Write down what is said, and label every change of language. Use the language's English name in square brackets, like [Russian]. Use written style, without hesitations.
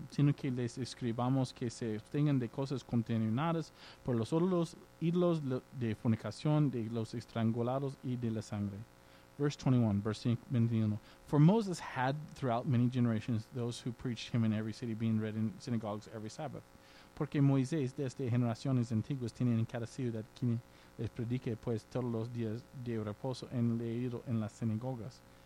[Spanish] Sino que les escribamos que se abstengan de cosas contaminadas por los ídolos de fornicación, de los estrangulados y de la sangre. [English] Verse 21, verse 21. For Moses had throughout many generations those who preached him in every city, being read in synagogues every Sabbath. [Spanish] Porque Moisés desde generaciones antiguas tiene en cada ciudad quien les predique pues todos los días de reposo en leído en las sinagogas.